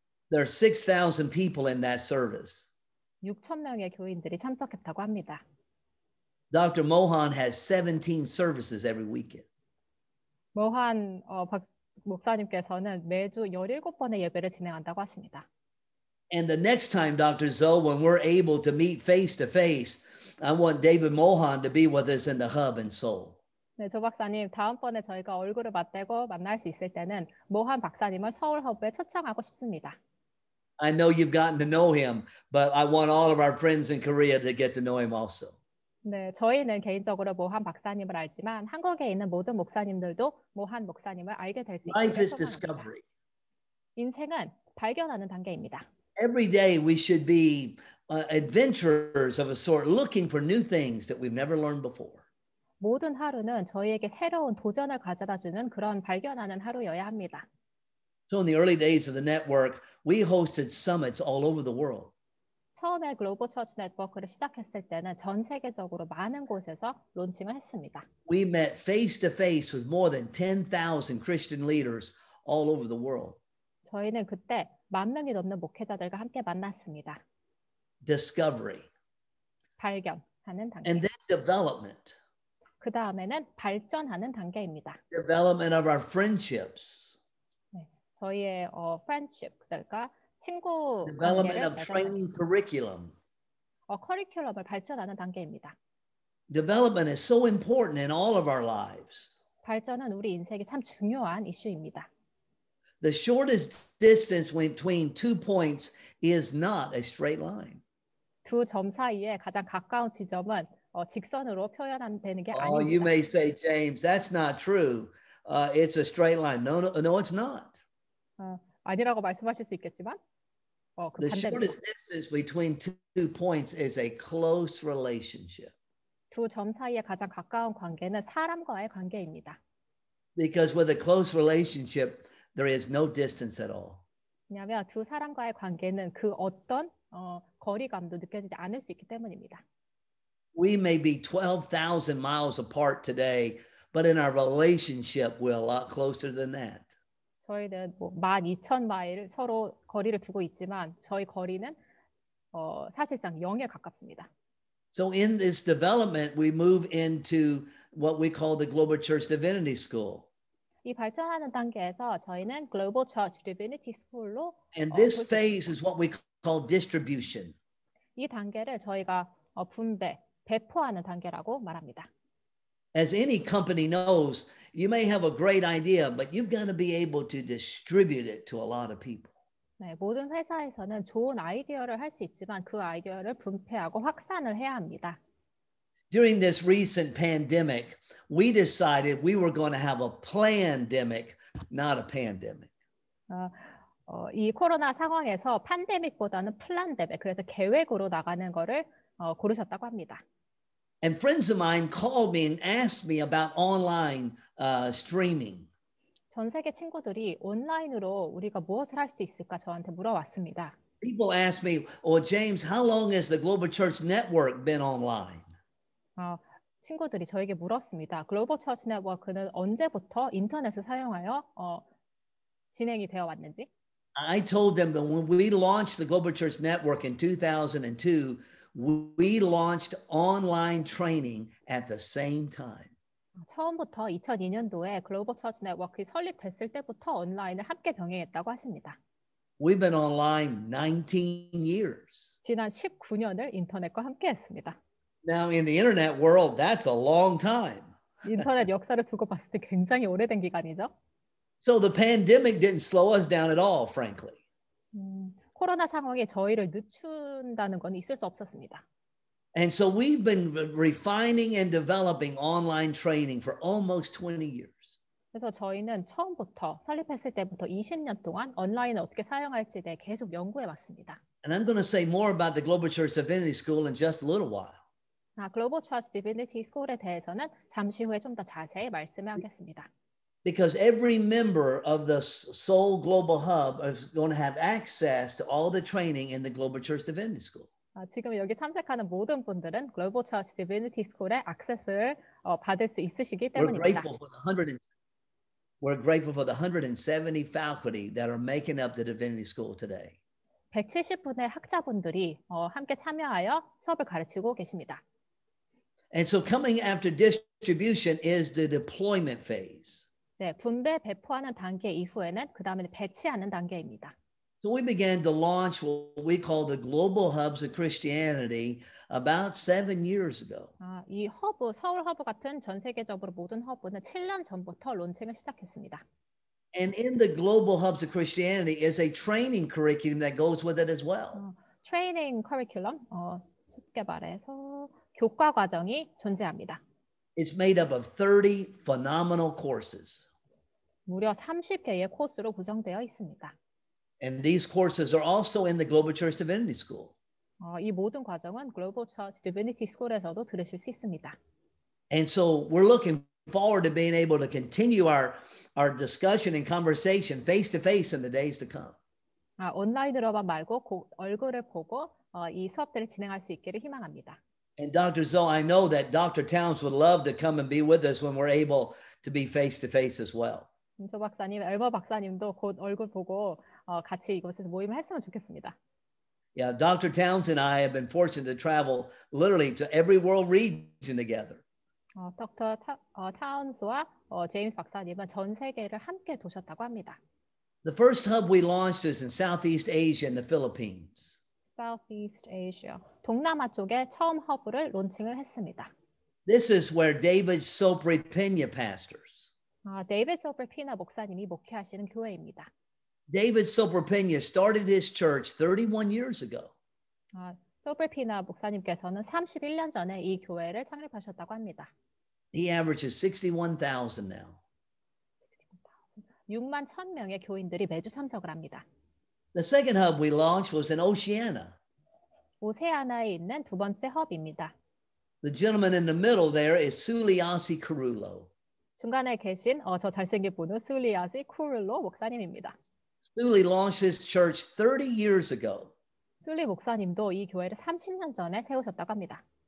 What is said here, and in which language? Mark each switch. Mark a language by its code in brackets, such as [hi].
[en] There are 6,000 people in that service. [ko] 6천 명의 교인들이 참석했다고 합니다. [en] Dr. Mohan has 17 services every weekend. [ko] 모한 박 목사님께서는 매주 17번의 예배를 진행한다고 하십니다. [en] And the next time, Dr. Zoe, when we're able to meet face to face, I want David Mohan to be with us in the hub in Seoul. [ko] 네, 조 박사님, 다음번에 저희가 얼굴을 맞대고 만날 수 있을 때는 모한 박사님을 서울 허브에 초청하고 싶습니다. [en] I know you've gotten to know him, but I want all of our friends in Korea to get to know him also. [ko] 네, 저희는 개인적으로 모한 박사님을 알지만 한국에 있는 모든 목사님들도 모한 목사님을 알게 될 수 있도록 [en] Life is discovery. [ko] 인생은 발견하는 단계입니다. [en] Every day we should be adventurers of a sort looking for new things that we've never learned before. [ko] 모든 하루는 저희에게 새로운 도전을 가져다 주는 그런 발견하는 하루여야 합니다. [en] So in the early days of the network, we hosted summits all over the world. [ko] 처음에 글로벌 처치 네트워크를 시작했을 때는 전 세계적으로 많은 곳에서 론칭을 했습니다. [en] We met face to face with more than 10,000 Christian leaders all over the world. [ko] 저희는 그때 만 명이 넘는 목회자들과 함께 만났습니다. [en] Discovery. [ko] 발견하는 단계. [en] And then development. [ko] 그 다음에는 발전하는 단계입니다. [en] Development of our friendships. [ko] 네, 저희의 friendship 그러니까 친구 [en] Development of training curriculum. [ko] 커리큘럼을 발전하는 단계입니다. [en] Development is so important in all of our lives. [ko] 발전은 우리 인생에 참 중요한 이슈입니다. [en] The shortest distance between two points is not a straight line. [ko] 두 점 사이에 가장 가까운 지점은 직선으로 표현되는 게 아닙니다. [en] Oh, you may say, James, that's not true. It's a straight line. No, no, no, it's not. [ko] 아니라고 말씀하실 수 있겠지만, 그 [en] The shortest distance between two points is a close relationship. [ko] 두 점 사이에 가장 가까운 관계는 사람과의 관계입니다. [en] Because with a close relationship, there is no distance at all. [ko] 왜냐하면 두 사람과의 관계는 그 어떤 거리감도 느껴지지 않을 수 있기 때문입니다. [en] We may be 12,000 miles apart today, but in our relationship, we're a lot closer than that. [ko] 저희는 12,000 마일 서로 거리를 두고 있지만 저희 거리는 사실상 0에 가깝습니다. [en] So in this development, we move into what we call the Global Church Divinity School. [ko] 이 발전하는 단계에서 저희는 Global Church Divinity School로 [en] And this phase is what we call distribution. [ko] 이 단계를 저희가 분배, 배포하는 단계라고 말합니다. [en] As any company knows, you may have a great idea, but you've got to be able to distribute it to a lot of people. [ko] 네, 모든 회사에서는 좋은 아이디어를 할 수 있지만 그 아이디어를 분배하고 확산을 해야 합니다. [en] During this recent pandemic, we decided we were going to have a plandemic, not a pandemic. [ko] 이 코로나 상황에서 팬데믹보다는 플랜데믹, 그래서 계획으로 나가는 거를 고르셨다고 합니다. [en] And friends of mine called me and asked me about online streaming. [ko] 전 세계 친구들이 온라인으로 우리가 무엇을 할 수 있을까 저한테 물어왔습니다. [en] People ask me, "Oh, James, how long has the Global Church Network been online?" [ko] 친구들이 저에게 물었습니다. Global Church Network는 언제부터 인터넷을 사용하여 진행이 되어 왔는지? [en] I told them that when we launched the Global Church Network in 2002, we launched online training at the same time. [ko] 처음부터 2002년도에 글로벌 처치 네트워크가 설립됐을 때부터 온라인을 함께 병행했다고 하십니다. [en] We've been online 19 years. [ko] 지난 19년을 인터넷과 함께 했습니다. [en] Now in the internet world, that's a long time. [ko] 인터넷 역사를 두고 봤을 때 굉장히 오래된 기간이죠. [en] So the pandemic didn't slow us down at all, frankly. [ko] 코로나 상황이 저희를 늦춘다는 건 있을 수 없었습니다. [en] And so we've been refining and developing online training for almost 20 years. [ko] 그래서 저희는 처음부터 설립했을 때부터 20년 동안 온라인을 어떻게 사용할지에 대해 계속 연구해 왔습니다. [en] And I'm going to say more about the Global Church Divinity School in just a little while. [ko] 글로벌 처치 디비니티 스쿨에 대해서는 잠시 후에 좀 더 자세히 말씀하겠습니다. [en] Because every member of the Seoul Global Hub is going to have access to all the training in the Global Church Divinity School. [ko] 지금 여기 참석하는 모든 분들은 글로벌 처치 디비니티 스쿨에 액세스를 받을 수 있으시기 때문입니다. [en] We're grateful for the 170 faculty that are making up the Divinity School today. [ko] 170분의 학자분들이 함께 참여하여 수업을 가르치고 계십니다. [en] And so coming after distribution is the deployment phase. [ko] 네, 분배 배포하는 단계 이후에는 그다음에 배치하는 단계입니다. [en] So we began to launch what we call the Global Hubs of Christianity about 7 years ago. [ko] 이 허브, 서울 허브 같은 전 세계적으로 모든 허브는 7년 전부터 론칭을 시작했습니다. [en] And in the Global Hubs of Christianity is a training curriculum that goes with it as well. [ko] 트레이닝 커리큘럼, 쉽게 말해서 교과 과정이 존재합니다. [en] It's made up of 30 phenomenal courses. [ko] 무려 30개의 코스로 구성되어 있습니다. [en] And these courses are also in the Global Church Divinity School. [ko] 이 모든 과정은 Global Church Divinity School에서도 들으실 수 있습니다. [en] And so we're looking forward to being able to continue our discussion and conversation face to face in the days to come. [ko] 온라인으로만 말고 얼굴을 보고 이 수업들을 진행할 수 있기를 희망합니다. [en] And Dr. Zoe, I know that Dr. Towns would love to come and be with us when we're able to be face to face as well. [ko] 김소 박사님, 엘버 박사님도 곧 얼굴 보고 같이 이곳에서 모임을 했으면 좋겠습니다. [en] Yeah, Dr. Towns and I have been fortunate to travel literally to every world region together. [ko] 닥터 타운스와 제임스 박사님은 전 세계를 함께 도셨다고 합니다. [en] The first hub we launched is in Southeast Asia in the Philippines. Southeast Asia. [ko] 동남아 쪽에 처음 허브를 론칭을 했습니다. [en] This is where David Sobre Pena pastors. [ko] 아, David Sobre Pena 목사님이 목회하시는 교회입니다. [en] David Sobre Pena started his church 31 years ago. [ko] 아, Sobre Pena 목사님께서는 31년 전에 이 교회를 창립하셨다고 합니다. [en] He averages 61,000 now. [ko] 6만 1천 명의 교인들이 매주 참석을 합니다. [en] The second hub we launched was in Oceania. [ko] 오세아나에 있는 두 번째 허브입니다. [en] The gentleman in the middle there is Suliasi Kurulo. [ko] 중간에 계신 저 잘생긴 분은 Suliasi Kurulo 목사님입니다. [en] Suli launched his church 30 years ago. [ko] Suli 목사님도 이 교회를 30년 전에 세우셨다고 합니다.